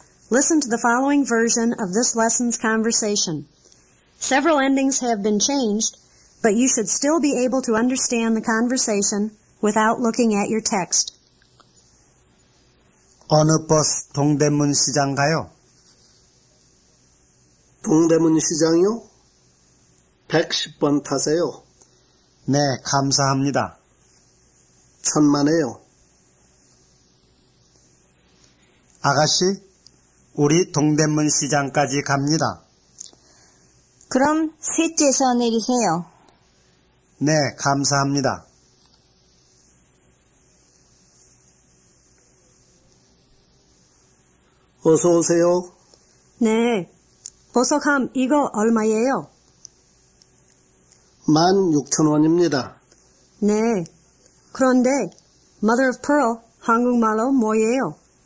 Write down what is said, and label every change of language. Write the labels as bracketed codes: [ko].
[en] Listen to the following version of this lesson's conversation. Several endings have been changed, but you should still be able to understand the conversation without looking at your text. [ko] 어느 버스 동대문 시장 가요? 동대문 시장요? 110번 타세요. 네, 감사합니다. 천만에요. 아가씨, 우리 동대문 시장까지 갑니다. 그럼 셋째에서 내리세요. 네, 감사합니다. 어서 오세요. 네, 보석함 이거 얼마예요? 16,000원입니다. 네. 그런데 Mother of Pearl 한국말로 뭐예요?